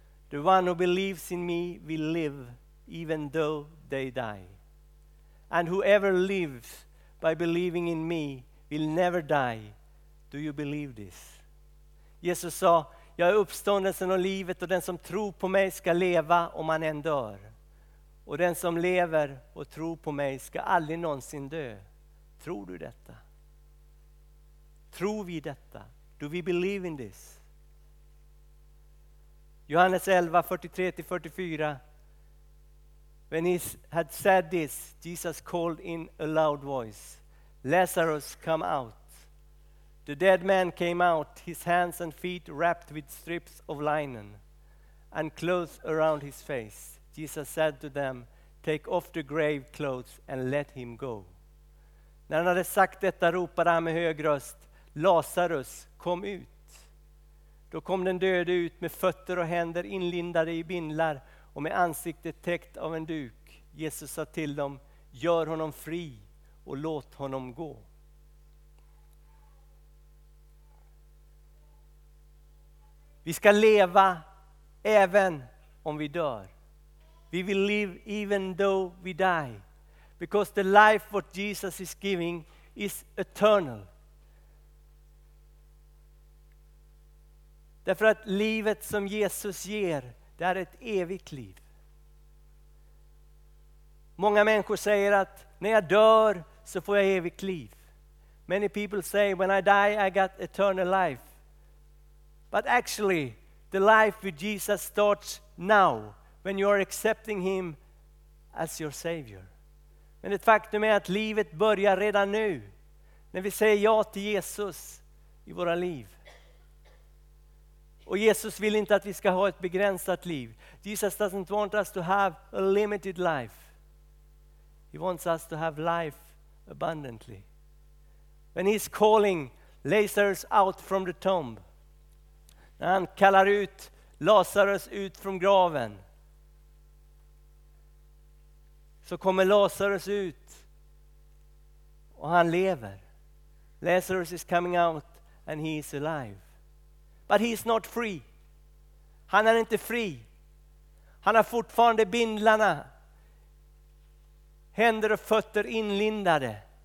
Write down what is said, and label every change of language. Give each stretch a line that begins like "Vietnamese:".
English: The one who believes in me will live even though they die. And whoever lives by believing in me will never die. Do you believe this?
Swedish: Jesus sa, jag är uppståndelsen och livet, och den som tror på mig ska leva om han än dör. Och den som lever och tror på mig ska aldrig någonsin dö. Tror du detta? Tror vi detta?
English: Do we believe in this?
Swedish: Johannes 11, 43-44.
English: When he had said this, Jesus called in a loud voice. Lazarus, come out. The dead man came out, his hands and feet wrapped with strips of linen and clothes around his face. Jesus said to them, take off the grave clothes and let him go.
Swedish: När han hade sagt detta ropade han med hög röst, Lazarus, kom ut. Då kom den döde ut med fötter och händer inlindade i bindlar och med ansiktet täckt av en duk. Jesus sa till dem, gör honom fri och låt honom gå. Vi ska leva även om vi dör.
English: We will live even though we die. Because the life what Jesus is giving is eternal.
Swedish: Därför att livet som Jesus ger, det är ett evigt liv. Många människor säger att när jag dör så får jag evigt liv.
English: Many people say when I die I got eternal life. But actually the life with Jesus starts now when you are accepting him as your savior.
Swedish: Men ett faktum är att livet börjar redan nu när vi säger ja till Jesus i våra liv. Och Jesus vill inte att vi ska ha ett begränsat liv.
English: Jesus doesn't want us to have a limited life. He wants us to have life abundantly. When he's calling Lazarus out from the tomb.
Swedish: När han kallar ut Lazarus ut från graven. Så kommer Lazarus ut och han lever.
English: Lazarus is coming out and he is alive. But he is not free.
Swedish: Han är inte fri. Han har fortfarande bindlarna. Händer och fötter inlindade.